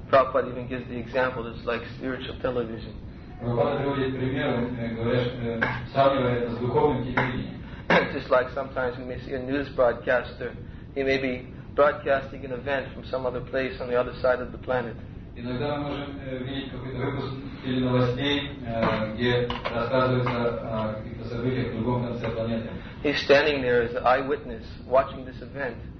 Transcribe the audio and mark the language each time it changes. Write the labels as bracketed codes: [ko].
[en] Prabhupada even gives the example, it's like spiritual television. [ru] Прабхупада приводит пример, говорит, сравнивая это с духовным телевидением. [en] Just like sometimes we may see a news broadcaster, he may be broadcasting an event from some other place on the other side of the planet. [ru] Иногда мы можем видеть какой-то выпуск или новостей, где рассказывается о каких-то событиях в другом конце планеты. [en] He's standing there as an eyewitness, watching this event.